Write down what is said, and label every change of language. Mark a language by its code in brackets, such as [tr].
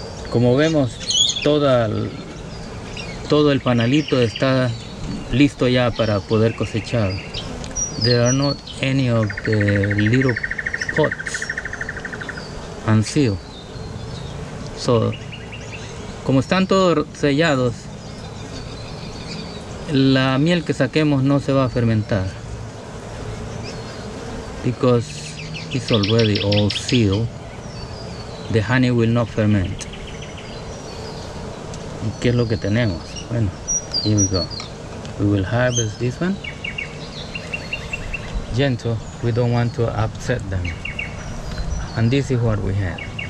[es] Como vemos, todo el panalito está listo ya para poder cosechar. [en] There are not any of the little pots unsealed. [es] So, como están todos sellados, la miel que saquemos no se va a fermentar. [en] Because it's already all sealed, the honey will not ferment. [es] ¿Y qué es lo que tenemos? Bueno, [en] here we go. We will harvest this one. Gentle, we don't want to upset them. And this is what we have.